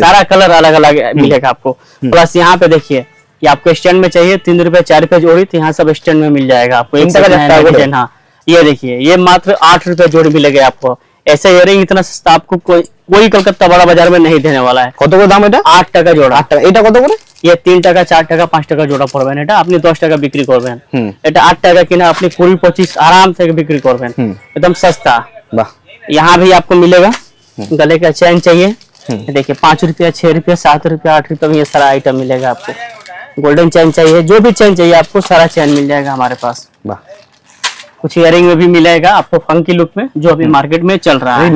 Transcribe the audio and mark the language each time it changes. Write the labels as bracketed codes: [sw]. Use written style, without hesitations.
[hi] सारा कलर अलग अलग मिलेगा आपको। प्लस यहाँ पे देखिए ये आपको स्टैंड में चाहिए 3-4 रुपए जोड़ी, तो यहाँ सब स्टैंड में मिल जाएगा आपको। ये देखिए ये मात्र 8 रुपए जोड़ी मिलेगा आपको, ऐसे इयरिंग इतना सस्ता आपको कोई कलकत्ता बड़ा बाजार में नहीं देने वाला है। [bn] कत को दाम 8 टका जोड़ा, 8 टका। एटा कत करे, ये 3 টাকা 4 টাকা 5 টাকা জোড়া পড়বেন, এটা আপনি 10 টাকা বিক্রি করবেন, এটা 8 টাকা কিনা আপনি 20-25 আরাম থেকে বিক্রি করবেন, একদম সস্তা। বাহ, [hi] यहां भी आपको मिलेगा। गले का चैन चाहिए, देखिए 5 রুপিয়া 6 রুপিয়া 7 রুপিয়া 8 রুপিয়া ये सारा आइटम मिलेगा आपको। गोल्डन चैन चाहिए, जो भी चैन चाहिए आपको सारा चैन मिल जाएगा हमारे पास। कुछ इयरिंग में भी मिलेगा आपको फंकी लुक में, जो अभी मार्केट में चल रहा है,